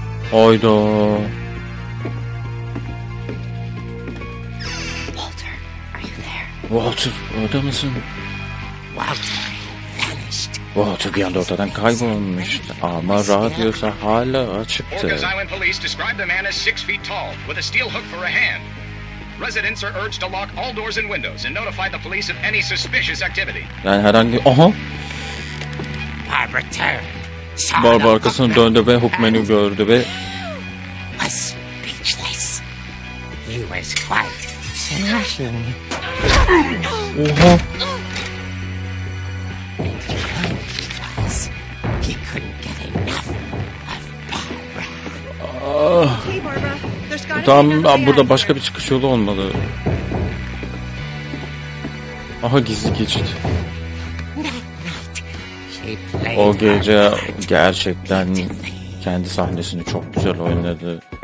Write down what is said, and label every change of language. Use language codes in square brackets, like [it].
[tr] Hayda. [en] Walter, are you there? [tr] Walter, orada mısın? [en] Walter vanished. [tr] Walter bir anda ortadan kaybolmuştu. Ama radyosu hala açıktı. [en] Orcas Island Police described the man as 6 feet tall, with a steel hook for a hand. Residents are urged to lock all doors and windows and notify the police of any suspicious activity. [tr] Yani herhangi... Aha! [en] Barbara turned. [tr] Barbara arkasını döndü ve Hookman'ı gördü ve... [en] ...was speechless. He was quite smashing. [tr] Oha! [en] And he only was. He couldn't get enough of Barbara. Hey Barbara. [tr] Tamam, burada başka bir çıkış yolu olmalı. Aha gizli geçit. O gece gerçekten kendi sahnesini çok güzel oynadı.